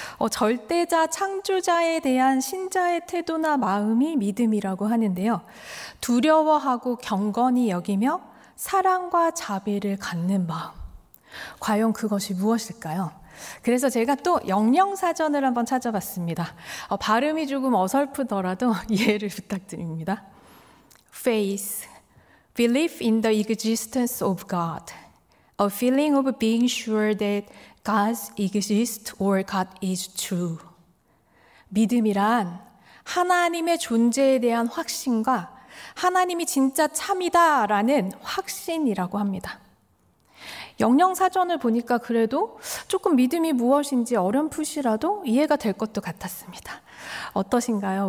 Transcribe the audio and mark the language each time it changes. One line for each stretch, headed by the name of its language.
Korean: 절대자, 창조자에 대한 신자의 태도나 마음이 믿음이라고 하는데요. 두려워하고 경건히 여기며 사랑과 자비를 갖는 마음. 과연 그것이 무엇일까요? 그래서 제가 또 영영사전을 한번 찾아봤습니다. 발음이 조금 어설프더라도 이해를 부탁드립니다.
English: Faith, belief in the existence of God, a feeling of being sure that God exists or God is true.
Korean: 믿음이란 하나님의 존재에 대한 확신과 하나님이 진짜 참이다라는 확신이라고 합니다. 영영사전을 보니까 그래도 조금 믿음이 무엇인지 어렴풋이라도 이해가 될 것도 같았습니다. 어떠신가요?